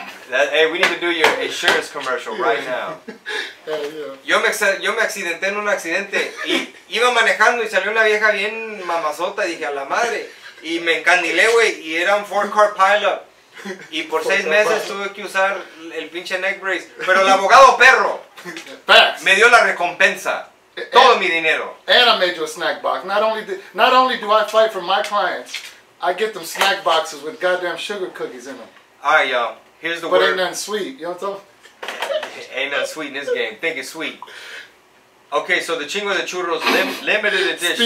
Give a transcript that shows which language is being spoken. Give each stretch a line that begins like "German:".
English: Hey, we need to do your insurance commercial right now. Yeah.
Spanish: Yo me accidenté en un accidente. Y iba manejando y salió una vieja bien mamazota. Dije a la madre. Y me encandilé, güey, y era un four-car pileup. Y por seis meses tuve que usar el pinche neck brace. Pero el abogado perro me dio la recompensa. Todo mi dinero.
English: And I made you a snack box. Not only do I fight for my clients, I get them snack boxes with goddamn sugar cookies in them. All right, y'all. Here's the word. But ain't nothing sweet. You know what I'm talking? Ain't nothing sweet in this game. Think it's sweet. Okay, so the Chingo de Churros limited edition.